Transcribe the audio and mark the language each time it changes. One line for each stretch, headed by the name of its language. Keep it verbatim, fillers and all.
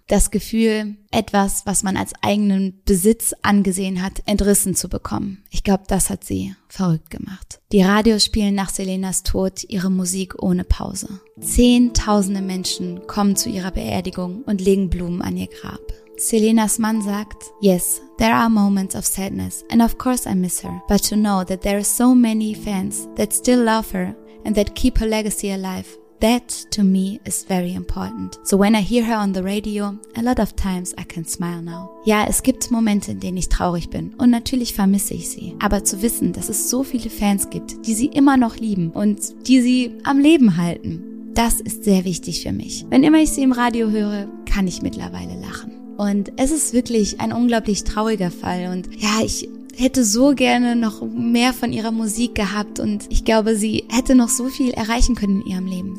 German: Das Gefühl, etwas, was man als eigenen Besitz angesehen hat, entrissen zu bekommen. Ich glaube, das hat sie verrückt gemacht. Die Radios spielen nach Selenas Tod ihre Musik ohne Pause. Zehntausende Menschen kommen zu ihrer Beerdigung und legen Blumen an ihr Grab. Selenas Mann sagt,
English: yes, there are moments of sadness and of course I miss her, but to know that there are so many fans that still love her and that keep her legacy alive, that to me is very important. So when I hear her on the radio, a lot of times I can smile now.
German: Ja, es gibt Momente, in denen ich traurig bin und natürlich vermisse ich sie. Aber zu wissen, dass es so viele Fans gibt, die sie immer noch lieben und die sie am Leben halten, das ist sehr wichtig für mich. Wenn immer ich sie im Radio höre, kann ich mittlerweile lachen. Und es ist wirklich ein unglaublich trauriger Fall und ja, ich hätte so gerne noch mehr von ihrer Musik gehabt und ich glaube, sie hätte noch so viel erreichen können in ihrem Leben.